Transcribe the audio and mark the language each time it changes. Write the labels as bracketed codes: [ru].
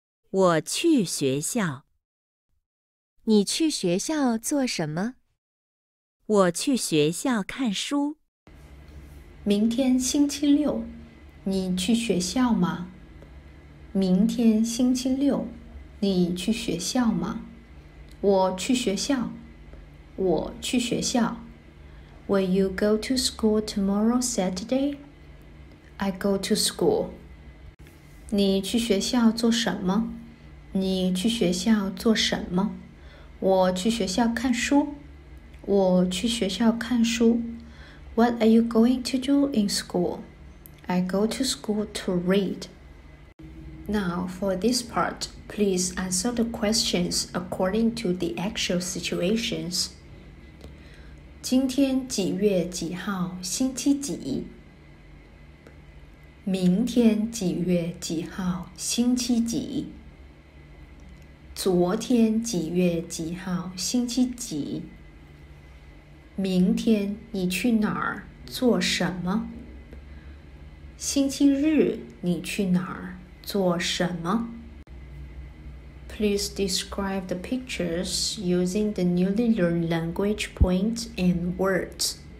[zh] 我去学校。你去学校做什么? 我去学校看书。明天星期六, 你去学校吗? 明天星期六, 你去学校吗? 我去学校。我去学校。 [en] Will you go to school tomorrow Saturday? I go to school. [zh] 你去学校做什么?你去学校做什么? 我去学校看书。我去学校看书。 [en] What are you going to do in school? I go to school to read. Now, for this part, please answer the questions according to the actual situations. [zh] 今天几月几号星期几? 明天几月几号星期几? 昨天几月几号星期几? 明天你去哪儿做什么? 星期日你去哪儿做什么? [en] Please describe the pictures using the newly learned language points and words.